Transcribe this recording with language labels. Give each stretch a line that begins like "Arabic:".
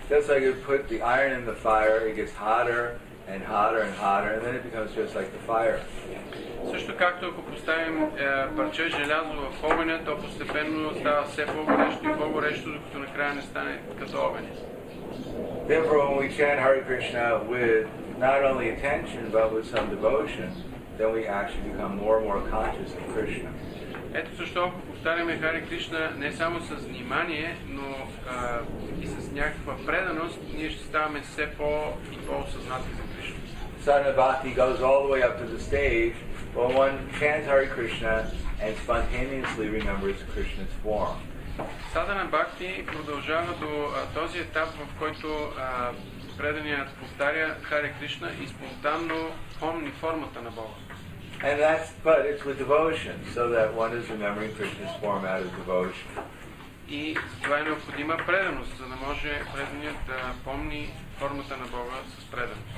English: That's like you put the iron in the fire, it gets hotter and hotter and hotter, and then it becomes just like the fire.
Bulgarian: Също както ако поставим парче желязо в огъня, то постепенно става все по-горещо и по-горещо, докато накрая не стане като огъня.
English: Therefore, when we chant Hare Krishna with not only attention but with some devotion, then we actually become more and more conscious of Krishna.
Bulgarian: Ето защо повтаряме Хари Кришна не само с внимание, но и с някаква преданост, ние ще ставаме все по и по осъзнати за Кришна.
English: Sadhana Bhakti goes all the way up to the stage when one chants Hare Krishna and spontaneously remembers Krishna's form.
Bulgarian: Садана Бхакти продължава до този етап, в който преданият повтаря Харе Кришна и спонтанно помни формата на Бога.
English: And that's, but it's with devotion, so that one is remembering Krishna's form out of devotion.
Bulgarian: И това е необходима преданост, за да може преданият да помни формата на Бога с преданост.